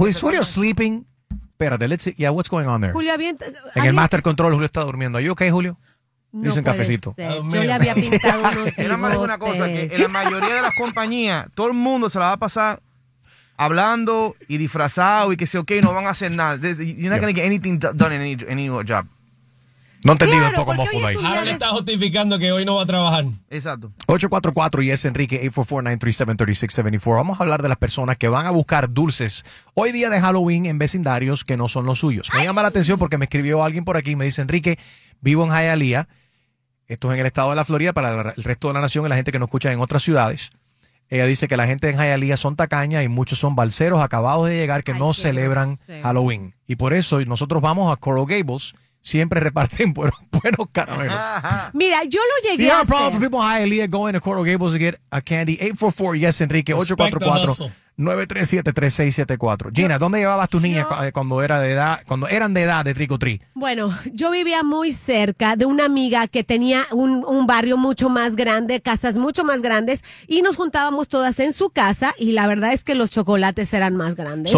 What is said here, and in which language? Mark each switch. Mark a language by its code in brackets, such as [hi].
[en] Is Julio sleeping? [es] Espérate, [en] let's see. Yeah, what's going on there? [es] Julio, avienta. En el master control, Julio está durmiendo. ¿Estás okay, Julio? No dicen cafecito. Yo le había pintado unos era más de una cosa, que en la mayoría de las compañías, todo el mundo se la va a pasar hablando y disfrazado y que si okay, no van a hacer nada. [en] You're not going to get anything done in any job. [es] No entendí un poco cómo fue ahí. Ahora le está justificando que hoy no va a trabajar. Exacto. 844 y es Enrique, 844-937-3674. Vamos a hablar de las personas que van a buscar dulces hoy día de Halloween en vecindarios que no son los suyos. Me llama la atención porque me escribió alguien por aquí y me dice, Enrique, vivo en Hialeah. Esto es en el estado de la Florida para el resto de la nación y la gente que nos escucha en otras ciudades. Ella dice que la gente en Hialeah son tacaña y muchos son balseros acabados de llegar que no celebran Halloween. Y por eso nosotros vamos a Coral Gables. Siempre reparten buenos caramelos. Mira, yo lo llegué a hacer. [en] You have a problem for people in Hialeah going to Coral Gables to get a candy. [es] 844, yes, Enrique, 844-937-3674. Gina, ¿dónde llevabas tus niñas cuando eran de edad de Trick or Treat? Bueno, yo vivía muy cerca de una amiga que tenía un barrio mucho más grande, casas mucho más grandes, y nos juntábamos todas en su casa, y la verdad es que los chocolates eran más grandes.